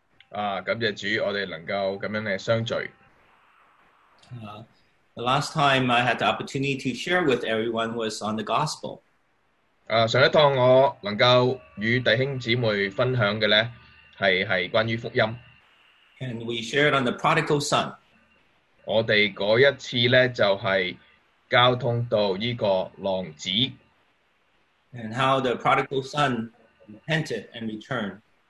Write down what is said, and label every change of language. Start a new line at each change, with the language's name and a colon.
Chinese: 感謝主, 我們能夠這樣相聚。
English: The last time I had the opportunity to share with everyone was on the gospel.
Chinese: 上一趟我能夠與弟兄姊妹分享的呢, 是關於福音。
English: And we shared on the prodigal son.
Chinese: 我們那一次呢, 就是交通到這個浪子。
English: And how the prodigal son repented and returned.